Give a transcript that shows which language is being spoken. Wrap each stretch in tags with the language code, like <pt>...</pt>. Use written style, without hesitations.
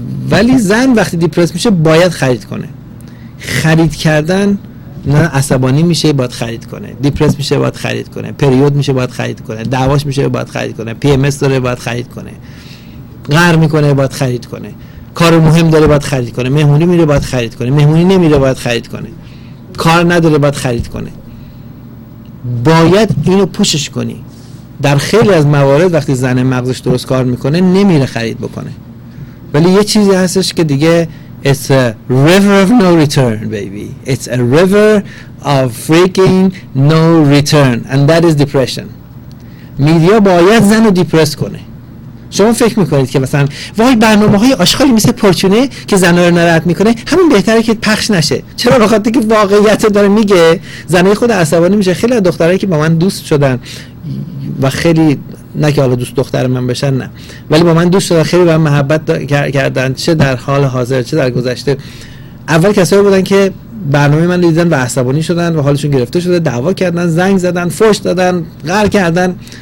<fa>ولی زن وقتی دیپرس میشه باید خرید کنه. خرید کردن نه، عصبانی میشه باید خرید کنه، دیپرس میشه باید خرید کنه، پریود میشه باید خرید کنه، دعواش میشه باید خرید کنه، پی ام اس داره باید خرید کنه، غر میکنه باید خرید کنه، کار مهم داره باید خرید کنه، مهمونی میره باید خرید کنه، مهمونی نمیره باید خرید کنه، کار نداره باید خرید کنه. باید اینو پوشش کنی. در خیلی از موارد وقتی زن مغزش درست کار میکنه نمیره خرید بکنه، ولی یه چیزی هستش که دیگه</fa> <en>It's a river of no return, baby. It's a river of freaking no return. And that is depression.</en> <fa>میدیا باید زن رو دیپرس کنه. شما فکر میکنید که مثلا وای برنامه های آشغالی مثل پرچونه که زنها رو ناراحت میکنه همون بهتره که پخش نشه. چرا؟ بخاطر که واقعیت داره میگه، زنای خود عصبانی میشه. خیلی از دخترایی که با من دوست شدن و خیلی، نه که حالا دوست دختر من بشن نه، ولی با من دوست شدن، خیلی با من محبت کردن، چه در حال حاضر چه در گذشته، اول کسایی بودن که برنامه من دیدن و عصبانی شدن و حالشون گرفته شده، دعوا کردن، زنگ زدن، فحش دادن، قهر کردن.</fa>